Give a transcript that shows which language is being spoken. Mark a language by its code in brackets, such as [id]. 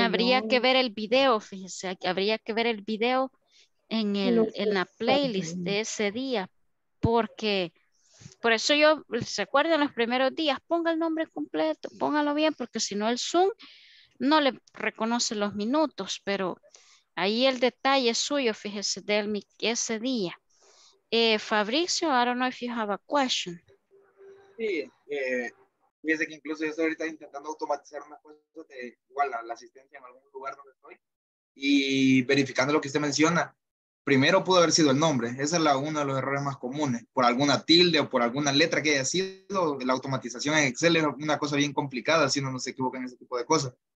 [es] habría que ver el video, fíjense, habría que ver el video en la playlist de ese día, porque por eso yo, se acuerdan los primeros días, ponga el nombre completo, póngalo bien, porque si no el Zoom no le reconoce los minutos. Pero ahí el detalle suyo, fíjese, Delmi, ese día. [en] Fabricio, I don't know if you have a question. [es] Sí, fíjese que incluso yo estoy ahorita intentando automatizar una cosa de igual la asistencia en algún lugar donde estoy y verificando lo que usted menciona. Primero pudo haber sido el nombre. Ese es uno de los errores más comunes. Por alguna tilde o por alguna letra que haya sido, la automatización en Excel es una cosa bien complicada, si no nos equivocan en ese tipo de cosas.